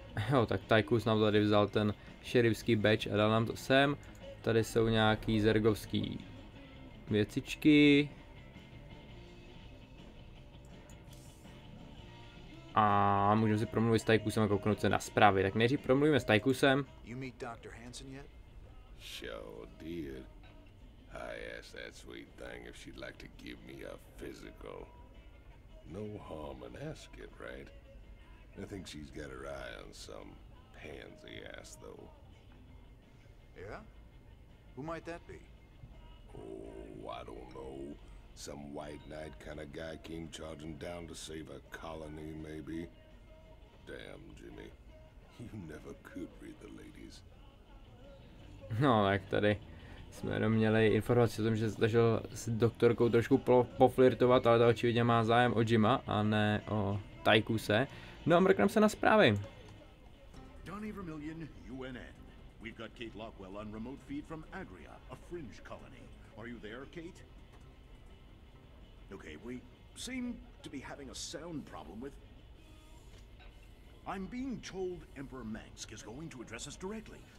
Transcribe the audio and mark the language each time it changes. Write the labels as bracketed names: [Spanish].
[Czech] Jo, tak Tychus nám tady vzal ten šerifský badge a dal nám to sem. Tady jsou nějaký zergovský věcičky. A můžeme si promluvit s Tychusem a kouknout se na zprávy. Tak nejdřív promluvíme s Tychusem. [English] You meet Dr. Hansen yet? Sure did. I asked that sweet thing if she'd like to give me a physical. No harm in asking, right? I think she's got her eye on some pansy ass, though. Yeah? Who might that be? Oh, I don't know. Some white knight kind of guy came charging down to save a colony, maybe. Damn, Jimmy. You never could read the ladies. [Czech] No, tak tady jsme jenom měli informaci o tom, že zdažil s doktorkou trošku poflirtovat, ale to očividně má zájem o Jima a ne o Tychuse. No a mrkneme se na zprávy. Donny Vermillion, UNN. [English] We've got Kate Lockwell on remote feed from Agria, a fringe colony. Are you there, Kate? Okay, we seem to be having a sound problem with... I'm being told Emperor Mangsk is going to address us directly.